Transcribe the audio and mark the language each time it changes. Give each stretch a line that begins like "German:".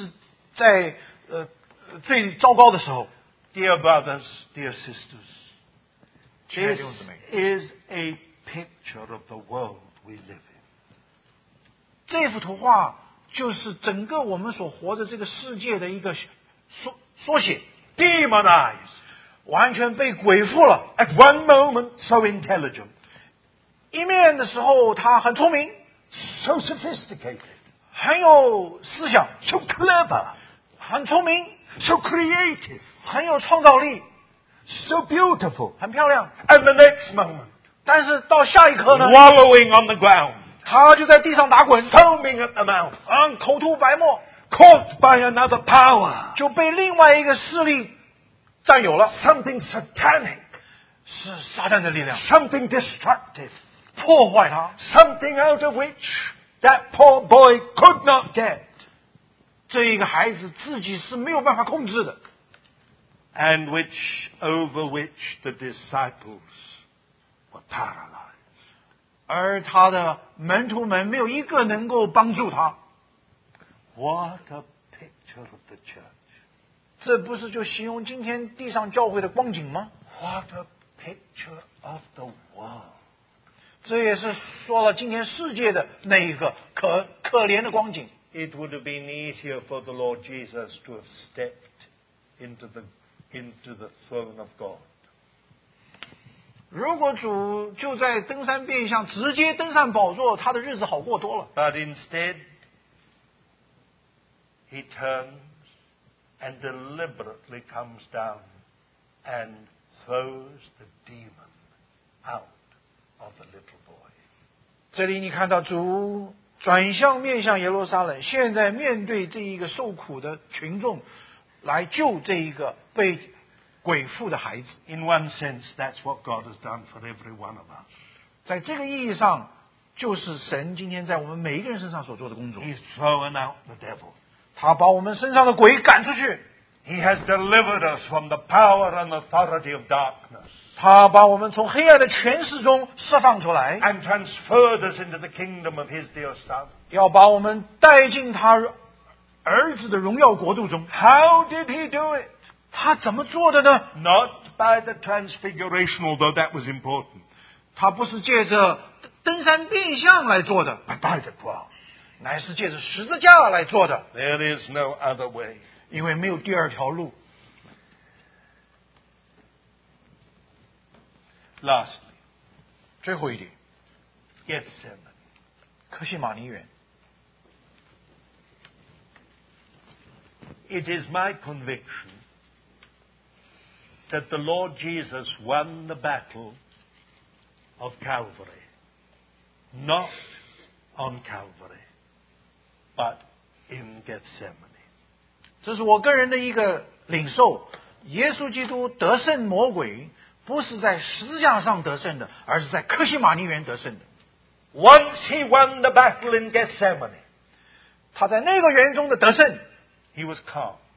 Chinese: 耶稣就转向看这个儿子的时候,这个儿子正是在最糟糕的时候。
English: Dear brothers, dear sisters, this is a picture of the world we live in.
Chinese: 这幅图画, 就是整个我们所活的这个世界的一个缩写,
English: demonized,
Chinese: 完全被鬼附了,
English: at one moment so intelligent,
Chinese: 一面的时候他很聪明,
English: so sophisticated,
Chinese: 很有思想,
English: so clever,
Chinese: 很聪明,
English: so creative,
Chinese: 很有创造力,
English: so beautiful,
Chinese: 很漂亮,
English: and the next moment,
Chinese: 但是到下一刻呢,
English: wallowing on the ground,
Chinese: 他就在地上打滚,
English: foaming at the mouth,
Chinese: 口吐白沫,
English: caught by another power,
Chinese: 就被另外一个势力占有了,
English: something satanic,
Chinese: 是撒旦的力量,
English: something destructive,
Chinese: 破坏他,
English: something out of which that poor boy could not get
Chinese: 这一个孩子自己是没有办法控制的。
English: And which over which the disciples were paralyzed.
Chinese: 而他的门徒们没有一个能够帮助他。
English: What a picture of the church.
Chinese: 这不是就形容今天地上教会的光景吗？
English: What a picture of the world.
Chinese: 这也是说了今天世界的那一个可怜的光景。
English: It would have been easier for the Lord Jesus to have stepped into the throne of God.
Chinese: 如果主就在登山变相直接登上宝座，他的日子好过多了。
English: But instead, he turns and deliberately comes down and throws the demon out of the little boy.
Chinese: 这里你看到主转向面向耶路撒冷，现在面对这一个受苦的群众，来救这一个被鬼附的孩子。
English: In one sense, that's what God has done for every one of us.
Chinese: 在这个意义上，就是神今天在我们每一个人身上所做的工作。
English: He's thrown out the devil.
Chinese: 他把我们身上的鬼赶出去。
English: He has delivered us from the power and authority of darkness.
Chinese: 他把我们从黑暗的权势中释放出来。
English: And transferred us into the kingdom of his dear son.
Chinese: 要把我们带进他儿子的荣耀国度中。
English: How did he do it?
Chinese: 他怎么做的呢？
English: Not by the transfiguration, although that was important.
Chinese: 他不是借着登山变相来做的。
English: But by the cross.
Chinese: 乃是借着十字架来做的。
English: There is no other way.
Chinese: 因为没有第二条路。
English: Lastly,
Chinese: 最后一点
English: Gethsemane,
Chinese: 科西马尼园。
English: It is my conviction that the Lord Jesus won the battle of Calvary, not on Calvary, but in Gethsemane.
Chinese: 这是我个人的一个领受，耶稣基督得胜魔鬼，不是在十字架上得胜的，而是在科西马尼园得胜的。
English: Once he won the battle in Gethsemane,
Chinese: 他在那个园中的得胜
English: ，he was calm,